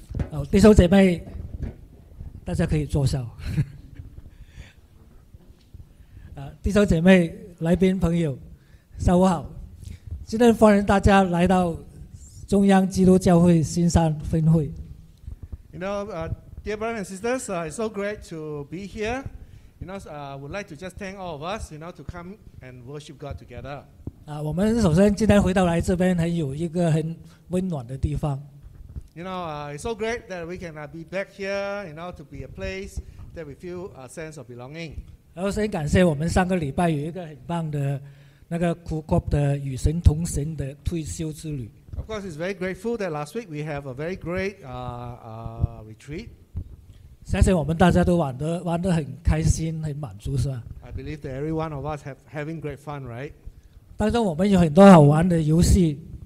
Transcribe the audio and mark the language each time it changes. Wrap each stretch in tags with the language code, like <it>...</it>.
<zh>好，弟兄姐妹，大家可以坐下。弟兄姐妹、来宾朋友，下午好。今天欢迎大家来到中央基督教会新山分会。</zh> <en>You know, dear brothers and sisters, it's so great to be here. You know, would like to just thank all of us, you know, to come and worship God together.</en> <zh>我们首先今天回到来这边，很有一个很温暖的地方。</zh> <en>You know, it's so great that we can be back here, you know, to be a place that we feel a sense of belonging.</en> <zh>然后先感谢我们上个礼拜有一个很棒的那个苦国的与神同行的退休之旅。</zh> <en>Of course, it's very grateful that last week we have a very great retreat.</en> <zh>相信我们大家都玩得很开心，很满足，是吧</zh> <en>？I believe that every one of us have having great fun, right?</en> <zh>当中我们有很多好玩的游戏。</zh>